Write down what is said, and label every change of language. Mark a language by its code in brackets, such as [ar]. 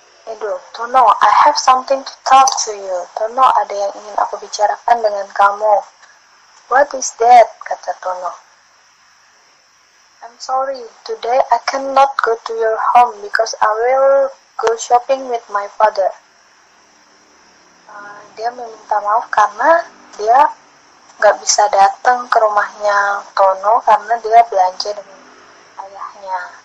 [en] Aduh, Tono, I have something to talk to you. [id] Tono, ada yang ingin aku bicarakan dengan kamu. [en] What is that? [id] Kata Tono. [en] I'm sorry, today I cannot go to your home because I will go shopping with my father. [id] Dia meminta maaf karena dia gak bisa datang ke rumahnya Tono karena dia belanja dengan ayahnya.